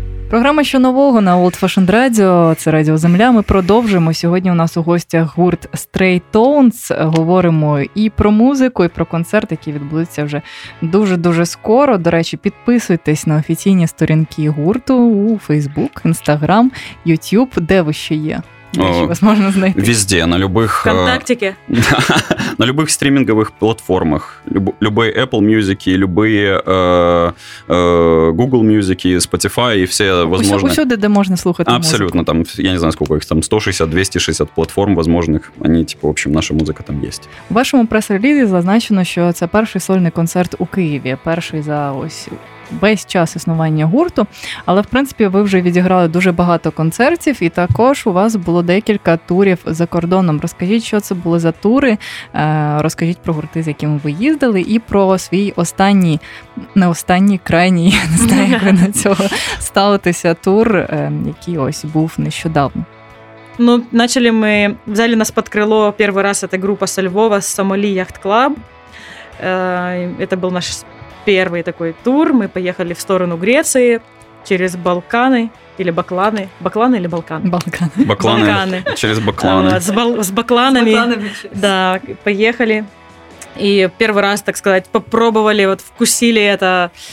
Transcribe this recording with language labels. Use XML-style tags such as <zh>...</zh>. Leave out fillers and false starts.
<uk>Програма «Що нового» на Old Fashioned Radio, це Радіо Земля. Ми продовжуємо. Сьогодні у нас у гостях гурт «Stray Tones». Говоримо і про музику, і про концерт, який відбудеться вже дуже-дуже скоро. До речі, підписуйтесь на офіційні сторінки гурту у Facebook, Instagram, YouTube, де ви ще є. вас можно знайти?</uk> <ru>Везде, на любых... Вконтактике? На любых стриминговых платформах. Любые Apple Music, любые Google Music, Spotify и все возможные... Усюды, где можно слухать музыку. Абсолютно, там, я не знаю, сколько их, там 160-260 платформ возможных, они, типа, в общем, наша музыка там есть.</ru> <uk>У вашому прес-релізі зазначено, що це перший сольний концерт у Києві, перший за ось... весь час існування гурту, але, в принципі, ви вже відіграли дуже багато концертів, і також у вас було декілька турів за кордоном. Розкажіть, що це були за тури, розкажіть про гурти, з якими ви їздили, і про свій останній, не останній, крайній, я не знаю, як ви на цього ставитеся, тур, який ось був нещодавно. Ну, почали ми, взяли нас під крило перший раз ця група зі Львова, Сомалі Яхт Клаб. Це був наш</uk> <ru>первый такой тур, мы поехали в сторону Греции через Балканы или Бакланы. Бакланы или Балканы? Балканы. Бакланы. Бакланы. Через Бакланы. С Бакланами. С Бакланами. Да, поехали. И первый раз, так сказать, попробовали, вот вкусили это.</ru>